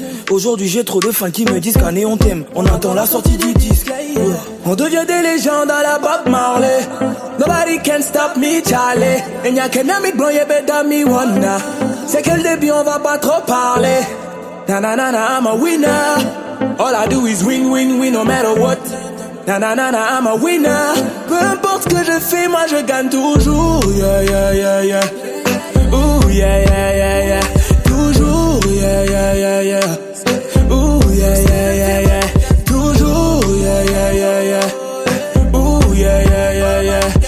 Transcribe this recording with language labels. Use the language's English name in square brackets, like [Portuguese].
[French] Aujourd'hui j'ai trop de fans qui me disent qu'année on t'aime. On attend la sortie du disque. On devient des légendes à la Bob Marley. [English] Nobody can stop me Charlie. [French] Et n'y a qu'un ami blanc et [English] better me wanna. [French] C'est que le début on va pas trop parler. [English] Na na na na I'm a winner. All I do is win win win no matter what. Na na na na I'm a winner. [French] Peu importe ce que je fais moi je gagne toujours. Yeah yeah yeah yeah. Ooh yeah yeah yeah yeah. Yeah yeah yeah yeah. Ooh yeah yeah yeah yeah. Toujours yeah yeah yeah yeah. Ooh yeah yeah yeah yeah.